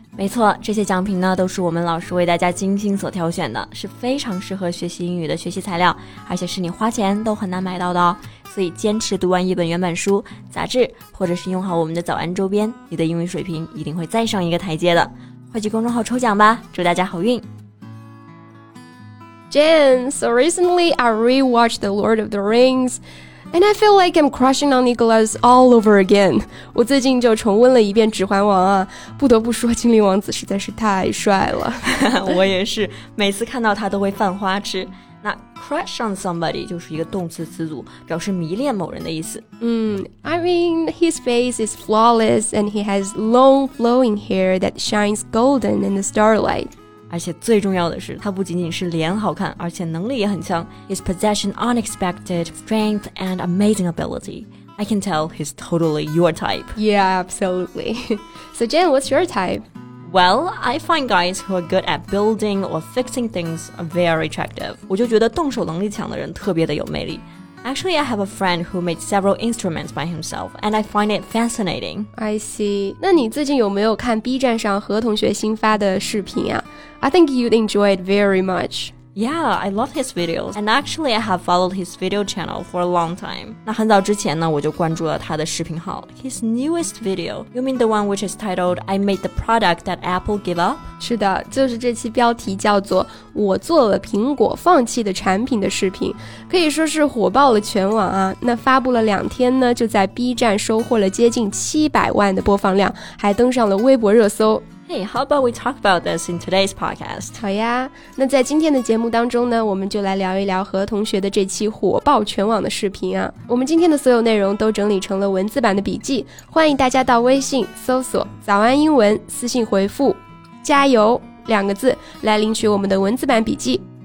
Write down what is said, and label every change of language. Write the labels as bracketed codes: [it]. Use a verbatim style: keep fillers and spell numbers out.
[zh] 没错，这些奖品呢都是我们老师为大家精心所挑选的，是非常适合学习英语的学习材料，而且是你花钱都很难买到的哦。所以坚持读完一本原版书、杂志，或者是用好我们的早安周边，你的英语水平一定会再上一个台阶的。快去公众号抽奖吧，祝大家好运。 [en] Jen, so recently I rewatched The Lord of the Rings. And I feel like I'm crushing on Nicholas all over again. [zh] 我最近就重温了一遍《指环王》啊，不得不说，精灵王子实在是太帅了。我也是，每次看到他都会犯花痴。那 [en] crush on somebody [zh] 就是一个动词词组，表示迷恋某人的意思。 [en] 嗯 I mean, his face is flawless and he has long flowing hair that shines golden in the starlight. [zh] 而且最重要的是，他不仅仅是脸好看，而且能力也很强。 [en] His possession unexpected strength and amazing ability. I can tell he's totally your type. Yeah, absolutely. So Jen, what's your type? Well, I find guys who are good at building or fixing things are very attractive. [zh] 我就觉得动手能力强的人特别的有魅力。 [en] Actually, I have a friend who made several instruments by himself, and I find it fascinating. I see. [zh] 那你最近有没有看 B 站上何同学新发的视频啊？ [en] I think you'd enjoy it very much. Yeah, I love his videos. And actually, I have followed his video channel for a long time. [zh] 那很早之前呢，我就关注了他的视频号。 [en] His newest video, you mean the one which is titled, I made the product that Apple gave up? [zh] 是的，就是这期标题叫做我做了苹果放弃的产品的视频，可以说是火爆了全网啊。那发布了两天呢，就在 B 站收获了接近七百万的播放量，还登上了微博热搜。 [en] Hey, how about we talk about this in today's podcast? [zh] 好呀，那在今天的节目当中呢，我们就来聊一聊何同学的这期火爆全网的视频啊。我们今天的所有内容都整理成了文字版的笔记，欢迎大家到微信搜索早安英文，私信回复加油两个字来领取我们的文字版笔记。